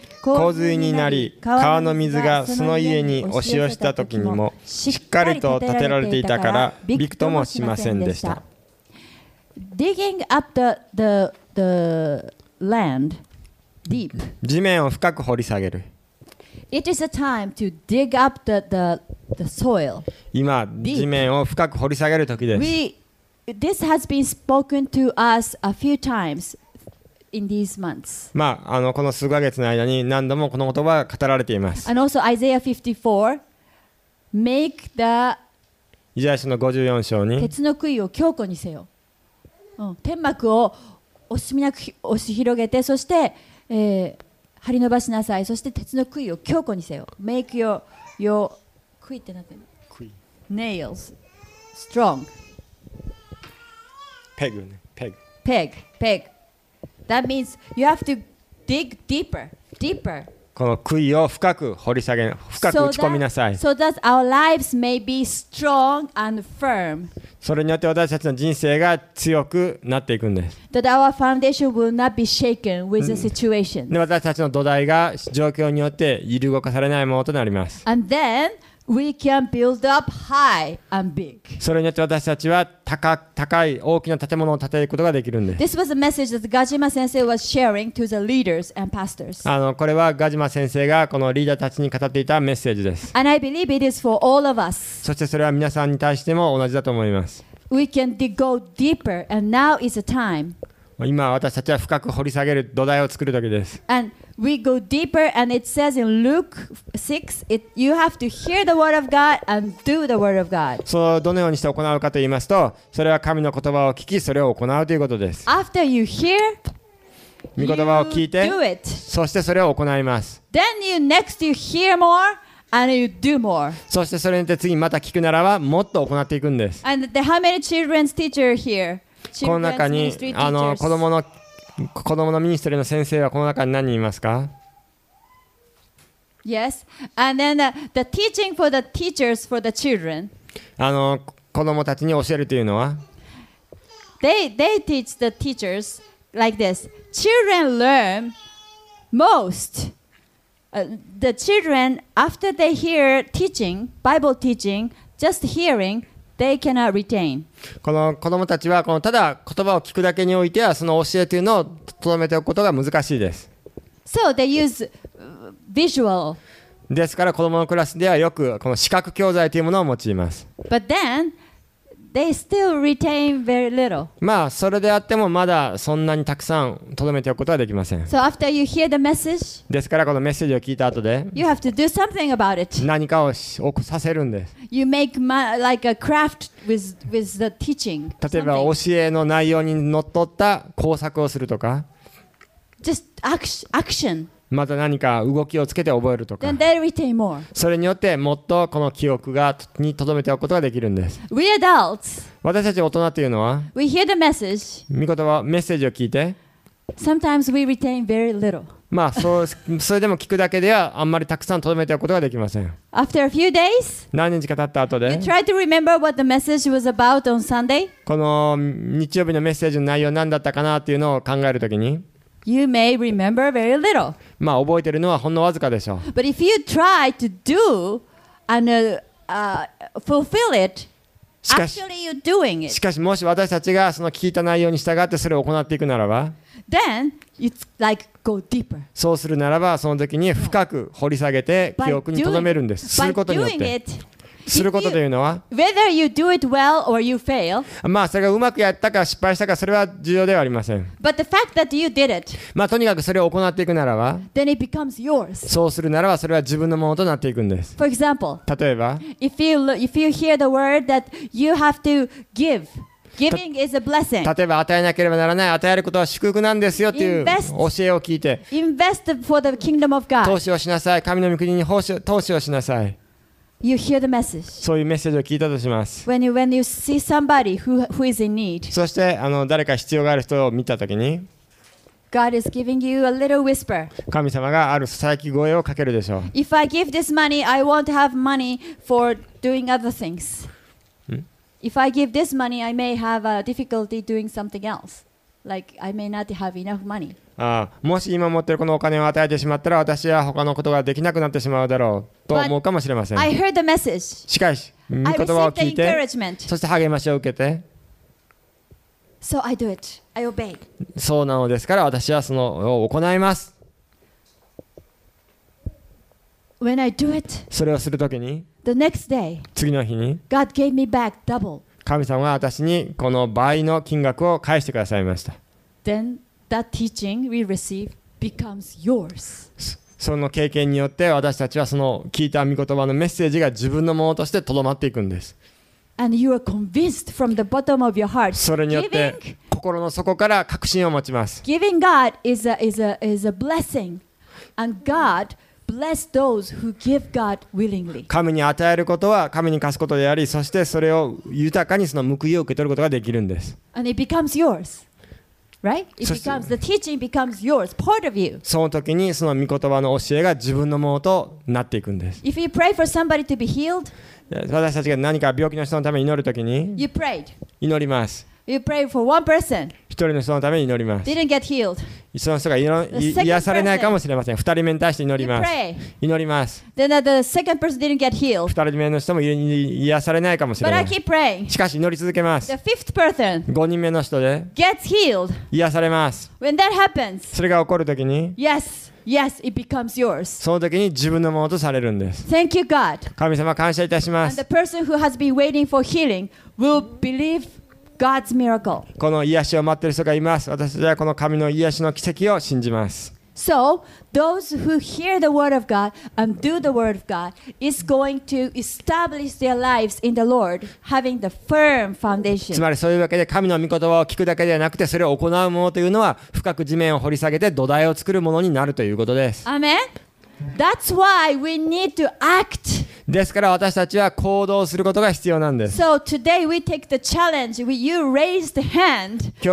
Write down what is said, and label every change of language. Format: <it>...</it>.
<ja>洪水になり、川の水がその家に押し寄せた時にも、しっかりと建てられていたから、びくともしませんでした。</ja> <en>Digging up the land deep.</en> <ja>地面を深く掘り下げる。</ja> <en>It is a time to dig up the soil.</en> <ja>今、地面を深く掘り下げる時です。</ja> <en>This has been spoken to us a few times. In these months.</en> <ja>まあ、あのこの数ヶ月の間に何度もこの言葉が語られています。</ja> <en>And also Isaiah 54, make the...</en> <ja>イザヤ書の54章に鉄の杭を強固にせよ、うん、天幕を惜しみなく押し広げて、そして、張り伸ばしなさい、そして鉄の杭を強固にせよ。</ja> <en>Make your</en> <ja>杭ってなってる</ja> <en>Nails strong Peg ね、Peg Peg, Peg. That means you have to dig deeper, deeper.</en> <ja>この杭を深く掘り下げ、深く打ち込みなさい。</ja> <en>So that our lives may be strong and firm.</en> <ja>それによって私たちの人生が強くなっていくんです。</ja> <en>That our foundation will not be shaken with the situation.</en> <ja>で、私たちの土台が状況によって揺り動かされないものとなります。</ja> <en>And then we can build up high and big.</en> <ja>それによって私たちは高い大きな建物を建てることができるんです。</ja> <en>This was a message that Gajima 先生 was sharing to the leaders and pastors.</en> <ja>あのこれはガジマ先生がこのリーダーたちに語っていたメッセージです。</ja> <en>And I believe it is for all of us.</en> <ja>そしてそれは皆さんに対しても同じだと思います。</ja> <en>We can go deeper, and now is the time.</en> <ja>今私たちは深く掘り下げる土台を作る時です。</ja> <en>And we go deeper, and it says in Luke 6, you have to hear the word of God and do the word of God.</en> <ja>そう、どのようにして行うかと言いますと、それは神の言葉を聞き、それを行うということです。</ja> <en>After you hear,</en> <ja>御言葉を聞いて、</ja> <en>you do it.</en> <ja>そしてそれを行います。</ja> <en>Then you, next you hear more. And you do more.</en> <ja>そしてそれによって次また聞くならばもっと行っていくんです。</ja> <en>And the, how many children's teacher here?</en> <ja>この中にあの子供のミニストリーの先生はこの中に何人いますか？</ja> <en>Yes. And then the teaching for the teachers for the children.</en> <ja>あの子供たちに教えるというのは</ja> <en>They teach the teachers like this. Children learn most. The children, after they hear teaching, Bible teaching, just hearing, they cannot retain.</en> <ja>この子供たちはこのただ言葉を聞くだけにおいてはその教えというのを留めておくことが難しいです。</ja> <en>So they use visual.</en> <ja>ですから子供のクラスではよくこの視覚教材というものを用います。</ja> <en>But then, they still retain very little.</en> <ja>まあそれであってもまだそんなにたくさん留めておくことはできません。</ja> <en>So after you hear the message,</en> <ja>ですからこのメッセージを聞いた後で、</ja> <en>you have to do something about it.</en> <ja>何かを起こさせるんです。</ja> <en>You make like a craft with the teaching.</en> <ja>例えば教えの内容にのっとった工作をするとか。</ja> <en>Just action.</en> <ja>また何か動きをつけて覚えるとか。</ja> <en>Then they retain more.</en> <ja>それによってもっとこの記憶に留めておくことができるんです。</ja> <en>We adults,</en> <ja>私たち大人というのは、</ja> <en>we hear the message,</en> <ja>見言葉、メッセージを聞いて、</ja> <en>Sometimes we retain very little.</en> <ja>まあそれでも聞くだけではあんまりたくさん留めておくことができません。</ja> <en>After a few days,</en> <ja>何日か経った後で、</ja> <en>you try to remember what the message was about on Sunday.</en> <ja>この日曜日のメッセージの内容何だったかなというのを考えるときに、</ja> <en>You may remember very little.</en> <ja>まあ覚えてるのはほんのわずかでしょう。</ja> <en>But if you try to do and fulfill it, actually you're doing it.</en> <ja>しかしもし私たちがその聞いた内容に従ってそれを行っていくならば、</ja> <en>then it's like go deeper.</en> <ja>そうするならばその時に深く掘り下げて記憶に留めるんです。することによって。することというのは、</ja> <en>whether you do it well or you fail,</en> <ja>まあそれがうまくやったか失敗したかそれは重要ではありません。</ja> <en>But the fact that you did it,</en> <ja>まあとにかくそれを行っていくならば、</ja> <en>then it becomes yours.</en> <ja>そうするならばそれは自分のものとなっていくんです。</ja> <en>For example,</en> <ja>例えば、</ja> <en>if you hear the word that you have to give, Giving is a blessing.</en> <ja>例えば与えなければならない、与えることは祝福なんですよっていう教えを聞いて、</ja> <en>invest for the kingdom of God.</en> <ja>投資をしなさい、神の御国に投資をしなさい。</ja> <en>You hear the message.</en> <ja>そういうメッセージを聞いたとします。</ja> <en>When you see somebody who is in need.</en> <ja>そして誰か必要がある人を見たときに、</ja> <en>God is giving you a little whisper.</en> <ja>神様がある囁き声をかけるでしょう。</ja> <en>If I give this money, I won't have money for doing other things. If I give this money, I may have a difficulty doing something else. Like I may not have enough money.</en> <ja>ああ、もし今持ってるこのお金を与えてしまったら、私は他のことができなくなってしまうだろうと思うかもしれません。</ja> <en>But I heard the message.</en> <ja>しかし、御言葉を聞いて、そして励ましを受けて。</ja> <en>So I do it. I obey.</en> <ja>そうなのですから、私はそのを行います。</ja> <en>When I do it,</en> <ja>それをするときに、</ja> <en>the next day,</en> <ja>次の日に、</ja> <en>God gave me back double.</en> <ja>神様は私にこの倍の金額を返してくださいました。</ja> <en>Then that teaching we receive becomes yours.</en> <ja>その経験によって、私たちはその聞いた御言葉のメッセージが自分のものとしてとどまっていくんです。</ja> <en>And you are convinced from the bottom of your heart.</en> <ja>それによって心の底から確信を持ちます。</ja> <en>Giving God is a blessing, and God bless those who give God willingly.</en> <ja>神に与えることは神に貸すことであり、そしてそれを豊かにその報いを受け取ることができるんです。</ja> <en>And it becomes yours. Right? It becomes, the teaching becomes yours, part of you.</en> <ja>その時にその御言葉の教えが自分のものとなっていくんです。</ja> <en>If you pray for somebody to be healed,</en> <ja>私たちが何か病気の人のために祈る時に、</ja> <en>you prayed.</en> <ja>祈ります。</ja> <en>You prayed for one person.</en> <ja>一人の人のために祈ります。</ja> <en>Didn't get healed.</en> <ja>その人が癒されないかもしれません。二人目に対して祈ります。</ja> <en>You pray.</en> <ja>祈ります。</ja> <en>Then the second person didn't get healed.</en> <ja>二人目の人も癒されないかもしれない。</ja> <en>But I keep praying.</en> <ja>しかし祈り続けます。</ja> <en>The fifth person.</en> <ja>五人目の人で</ja> <en>gets healed.</en> <ja>癒されます。</ja> <en>When that happens.</en> <ja>それが起こるときに</ja> <en>yes. Yes, it becomes yours.</en> <ja>その時に自分のものとされるんです。</ja> <en>Thank you, God.</en> <ja>神様、感謝いたします。</ja> <en>And the person who has been waiting for healing will believe God's miracle.</en> <ja>この癒しを待っている人がいます。私たちはこの神の癒しの奇跡を信じます。</ja> <en>So, those who hear the word of God and do the word of God is going to establish their lives in the Lord, having the firm foundation.</en> <ja>つまりそういうわけで神の御言葉を聞くだけではなくて、それを行うものというのは深く地面を掘り下げて土台を作るものになるということです。</ja> <en>Amen. That's why we need to act.</en> <ja>ですから私たちは行動することが必要なんです。</ja> <en>So today we take the challenge. You raised the hand.</en>